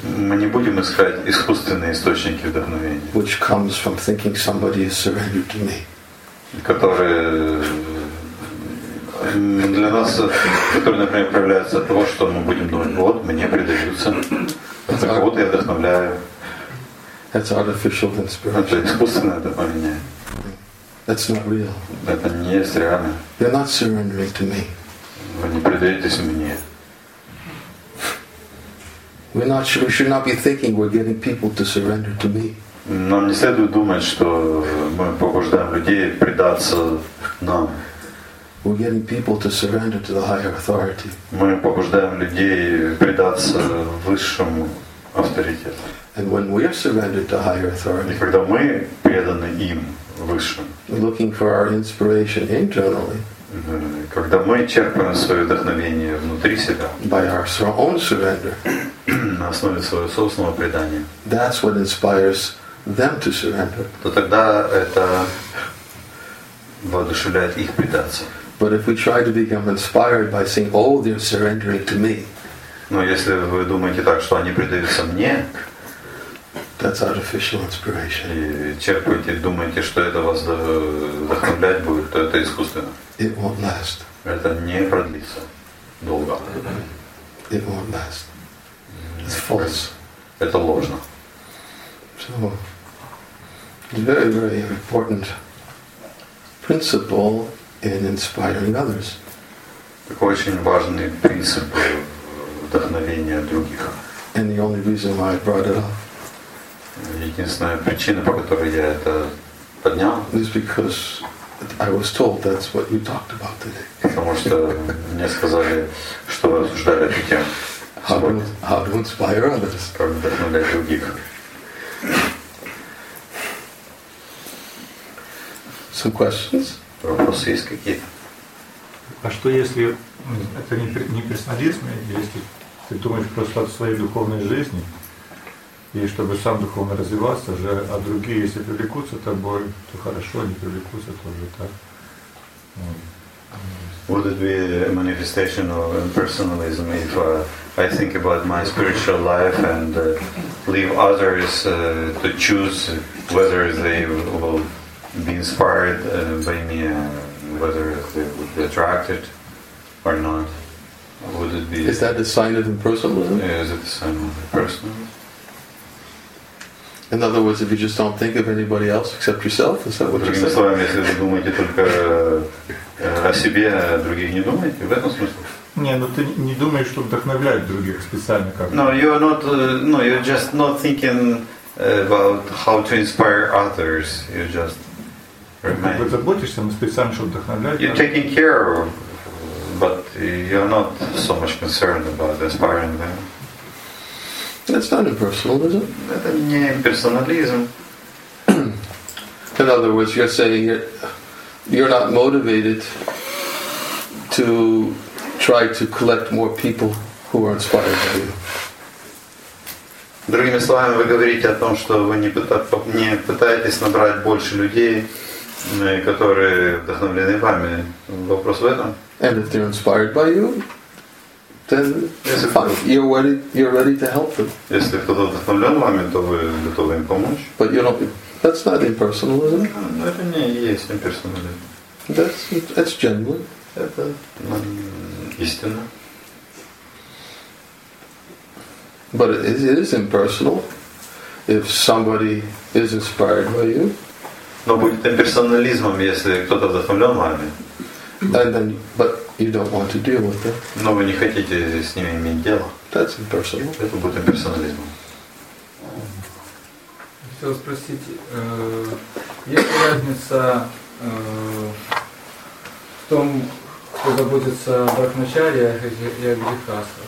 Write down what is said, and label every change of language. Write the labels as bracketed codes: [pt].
[ru] Мы не будем искать искусственные источники вдохновения. [en] Which comes from thinking somebody is surrendered to me. [ru] Которые для нас, которые, например, проявляются от того, что мы будем думать, вот, мне предаются, за кого-то я вдохновляю. [en] That's artificial inspiration. [ru] Это искусственное вдохновение. [en] That's not real. [ru] Это не есть реально. [en] You're not surrendering to me. [ru] Вы не предаетесь мне. [en] We should not be thinking we're getting people to surrender to me. [ru] Нам не следует думать, что мы побуждаем людей предаться нам. [en] We're getting people to surrender to the higher authority. [ru] Мы побуждаем людей предаться высшему авторитету. [en] And when we are surrendered to higher authority. [ru] И когда мы преданы им. [en] Looking for our inspiration internally. [ru] Когда мы черпаем свое вдохновение внутри себя. [en] By our own surrender. [ru] На основе своего собственного предания. [en] That's what inspires them to surrender. [ru] То тогда это воодушевляет их предаться. [en] But if we try to become inspired by saying, "Oh, they're surrendering to me." [ru] Но если вы думаете так, что они предаются мне. [en] That's artificial inspiration. [ru] И черпаете, думаете, что это вас вдохновлять будет, то это искусственно. [en] It won't last. [ru] Это не продлится долго. [en] if one does. It's false. [ru] Это ложно. [en] So, it's very, very important principle in inspiring others. [ru] Такой очень важный принцип вдохновения других. [en] And the only reason why I brought it up. [ru] Единственная причина, по которой я это поднял. [en] Is because I was told that's what you talked about today. [ru] Потому что мне сказали, что вы обсуждали эту тему. [en] How to inspire others. [ru] Как вдохновлять других. [en] Some questions? [ru] Вопросы есть какие-то? А что если это не персонализм, если ты думаешь просто о своей духовной жизни, и чтобы сам духовно развивался же, а другие, если привлекутся тобой, то хорошо, не привлекутся тоже так. [en] Would it be a manifestation of impersonalism if I think about my spiritual life and leave others to choose whether they will be inspired by me and whether they would be attracted or not? Would it be? Is that a sign of impersonalism? Yeah, is it a sign of impersonalism? In other words, if you just don't think of anybody else except yourself, is that what you're saying? [ru] Другими словами, если вы думаете только о себе, а других не думаете, в этом смысле? Не, ну ты не думаешь, что вдохновляют других специально как-то. [en] No, you're not. No, you're just not thinking about how to inspire others. You're just. [ru] Ты заботишься, но специально, чтобы вдохновлять. [en] You're taking care of, but you're not so much concerned about inspiring them. That's not impersonalism. [ru] Это не персонализм. [en] In other words, you're saying you're not motivated to try to collect more people who are inspired by you. [ru] Другими словами, вы говорите о том, что вы не пытаетесь набрать больше людей, которые вдохновлены вами. Вопрос в этом? [en] And if they're inspired by you, then you're ready to help them. [ru] Если кто-то вдохновлен вами, то вы готовы им помочь. [en] But you know, that's not impersonalism. [ru] Это не есть имперсонализм. [en] That's genuine. [ru] Это истина. [en] But it is impersonal if somebody is inspired by you. [ru] Но будет имперсонализмом, если кто-то вдохновлен вами. [en] And then, but you don't want to deal with it. [ru] Но вы не хотите с ними иметь дело. [en] That's impersonal. [ru] Это будет имперсонализмом. Хотел спросить, есть ли разница в том, кто заботится о брахмачари и о грехасах?